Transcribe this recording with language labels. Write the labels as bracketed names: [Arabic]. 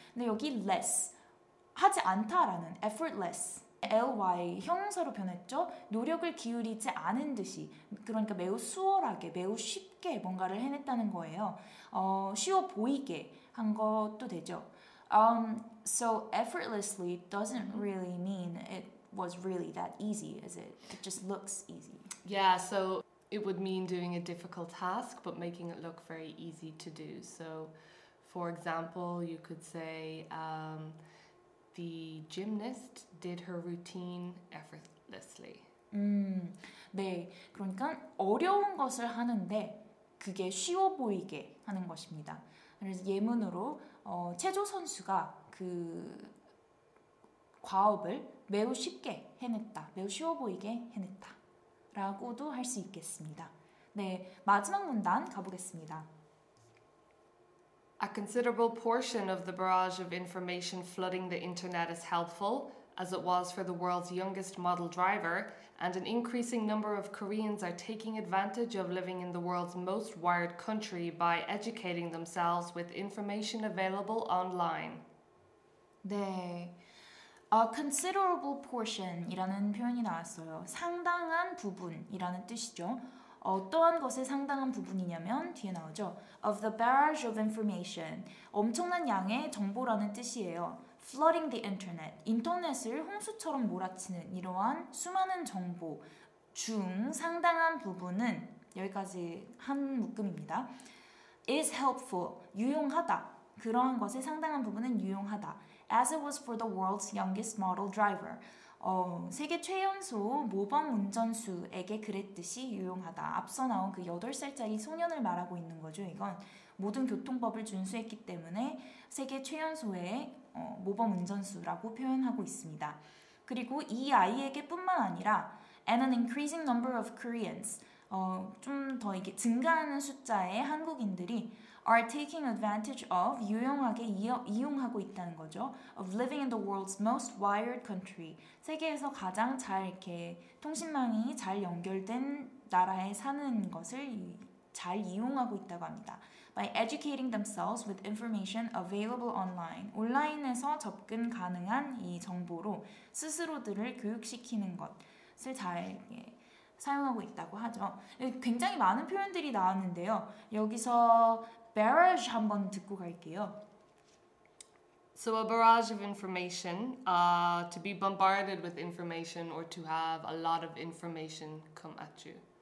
[Korean] 근데 여기 less, 하지 않다라는 effortless, ly, 형용사로 변했죠. 노력을 기울이지 않은 듯이, 그러니까 매우 수월하게, 매우 쉽게 뭔가를 해냈다는 거예요. 쉬워 보이게 한 것도 되죠. [English] So effortlessly doesn't really mean it was really that easy, is it? It just looks easy. Yeah, so it would mean doing a difficult task but making it look very easy to do. So, for example, you could say the gymnast did her routine effortlessly. [Korean] 네, 그러니까 어려운 것을 하는데 그게 쉬워 보이게 하는 것입니다. 그래서 예문으로 체조 선수가 그 과업을 매우 쉽게 해냈다, 매우 쉬워 보이게 해냈다 라고도 할 수 있겠습니다. 네, 마지막 문단 가보겠습니다. [English] A considerable portion of the barrage of information flooding the internet is helpful, as it was for the world's youngest model driver, and an increasing number of Koreans are taking advantage of living in the world's most wired country by educating themselves with information available online. [Korean] 네, A considerable portion이라는 표현이 나왔어요. 상당한 부분이라는 뜻이죠. 어떠한 것의 상당한 부분이냐면 뒤에 나오죠. [English] Of the barrage of information. [Korean] 엄청난 양의 정보라는 뜻이에요. [English] Flooding the internet. [Korean] 인터넷을 홍수처럼 몰아치는 이러한 수많은 정보 중 상당한 부분은 여기까지 한 묶음입니다. [English] Is helpful. [Korean] 유용하다. 그러한 것의 상당한 부분은 유용하다. [English] As it was for the world's youngest model driver. [Korean] 세계 최연소 모범 운전수에게 그랬듯이 유용하다. 앞서 나온 그 8살짜리 소년을 말하고 있는 거죠. 이건 모든 교통법을 준수했기 때문에 세계 최연소의 모범 운전수라고 표현하고 있습니다. 그리고 이 아이에게 뿐만 아니라 [English] and an increasing number of Koreans, [Korean] 좀 더 이게 증가하는 숫자의 한국인들이 [English] are taking advantage of, [Korean] 유용하게 이용하고 있다는 거죠. [English] Of living in the world's most wired country. [Korean] 세계에서 가장 잘 이렇게 통신망이 잘 연결된 나라에 사는 것을 잘 이용하고 있다고 합니다. [English] By educating themselves with information available online. [Korean] 온라인에서 접근 가능한 이 정보로 스스로들을 교육시키는 것을 잘 예, 사용하고 있다고 하죠. 굉장히 많은 표현들이 나왔는데요. 여기서 barrage 한번 듣고 갈게요. [English] So a barrage of information, to be bombarded with information or to have a lot of information come at you.